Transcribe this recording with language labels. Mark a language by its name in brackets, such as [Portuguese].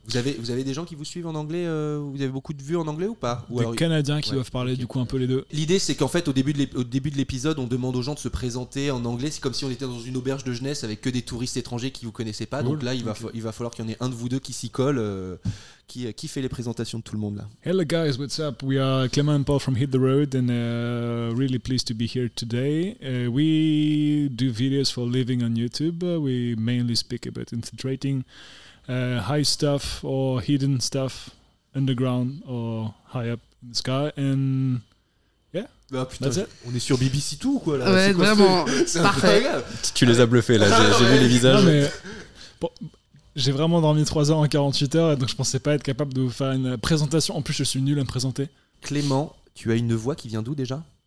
[French] Vous avez des gens qui vous suivent en anglais, vous avez beaucoup de vues en anglais ou pas? Canadiens qui doivent parler du coup un peu les deux. L'idée, c'est qu'en fait, au début de l'épisode, on demande aux gens de se présenter en anglais. C'est comme si on était dans une auberge de jeunesse avec que des touristes étrangers qui vous connaissaient pas. Cool. Donc là, il va falloir qu'il y en ait un de vous deux qui s'y collent, qui fait les présentations de tout le monde là. [English] Hello guys, what's up? We are Clément and Paul from Hit The Road and really pleased to be here today. We do videos for a living on YouTube. We mainly speak about infiltrating high stuff or hidden stuff underground or high up in the sky. And [French] ah putain, on est sur BBC Two ou quoi là? Ouais, c'est vraiment, c'est parfait. Incroyable. Tu les as bluffés là, j'ai vu les visages. Non, mais, j'ai vraiment dormi 3 heures en 48 heures, donc je pensais pas être capable de vous faire une présentation. En plus, je suis nul à me présenter. Clément, tu as une voix qui vient d'où déjà?